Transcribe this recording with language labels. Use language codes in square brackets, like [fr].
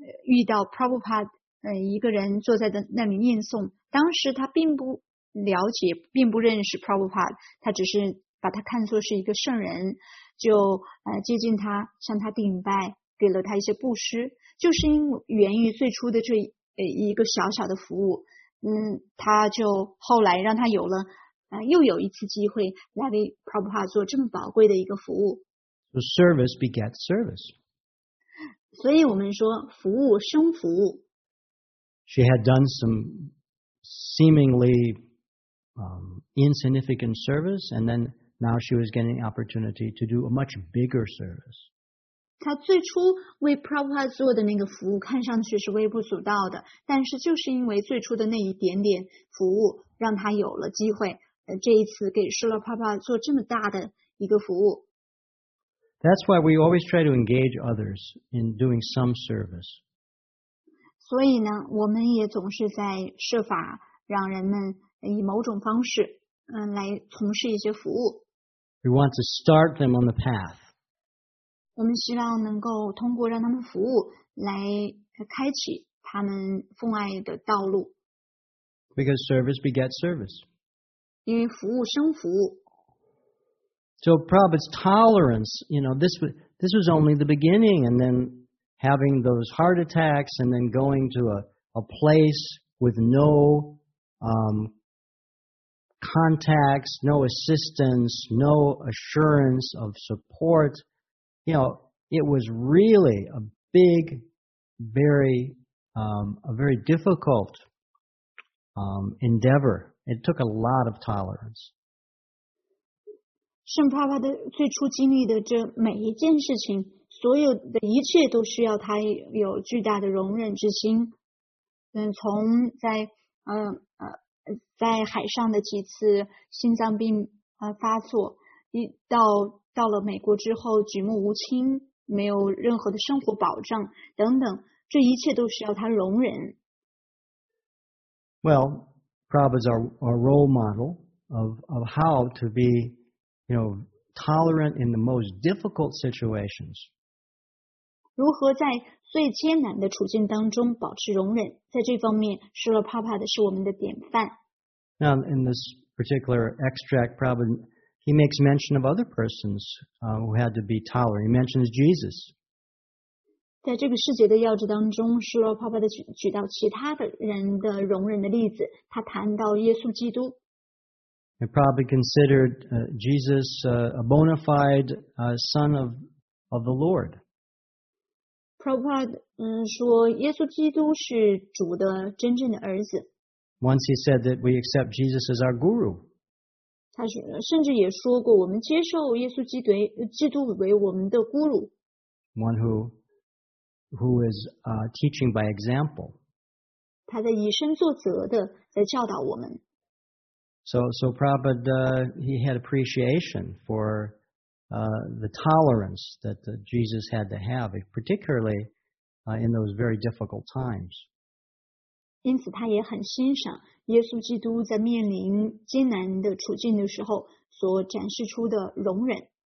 [zh] 遇到 Prabhupada 一个人坐在那里念诵，当时她并不了解，并不认识 Prabhupada， 他只是把他看作是一个圣人，就接近他，向他顶拜，给了他一些布施，就是因为源于最初的这一个小小的服务，他就后来让他有了又有一次机会来为 Prabhupada 做这么宝贵的一个服务。 [en] So service begets service. [zh] 所以我们说服务生服务。 [en] She had done someseemingly insignificant service, and then now she was getting the opportunity to do a much bigger service. [zh] 她最初为 Prabhupada 做的那个服务看上去是微不足道的，但是就是因为最初的那一点点服务让她有了机会，这一次给施洛帕帕做这么大的一个服务。 [en] That's why we always try to engage others in doing some service. [zh] 所以呢，我们也总是在设法让人们以某种方式，来从事一些服务。 [en] We want to start them on the path. [zh] 我们希望能够通过让他们服务来开启他们奉爱的道路。 [en] Because service begets service. [zh] 因为服务生服务。 [en] So Prabhupada's tolerance, you know, this was only the beginning, and then. Having those heart attacks and then going to a place with no contacts, no assistance, no assurance of support. You know, it was really a big, very, a very difficult endeavor. It took a lot of tolerance. [zh] 圣帕帕的最初经历的这每一件事情，所有的一切都需要他有巨大的容忍之心。从在海上的几次心脏病发作，到了美国之后举目无亲，没有任何的生活保障等等，这一切都需要他容忍。 [en] Well, Prabhupada's our role model of how to be. You know, tolerant in the most difficult situations. [zh] 如何在最艰难的处境当中保持容忍，在这方面施勒帕帕的是我们的典范。 [en] Now in this particular extract, probably he makes mention of other persons who had to be tolerant. He mentions Jesus. [zh] 在这个世界的要旨当中，施勒帕帕的 举到其他的人的容忍的例子，他谈到耶稣基督。 [en] He probably considered Jesus a bona fide son of the Lord. [zh] Prabhupada 说耶稣基督是主的真正的儿子。 [en] Once he said that we accept Jesus as our guru. [zh] 他甚至也说过我们接受耶稣基督为我们的 guru. [en] One who is teaching by example. [zh] 他在以身作则的在教导我们。 [en] So Prabhupada, he had appreciation for the tolerance that Jesus had to have, particularly in those very difficult times. [zh] 因此他也很欣赏耶稣基督在面临艰难的处境的时候所展示出的容忍。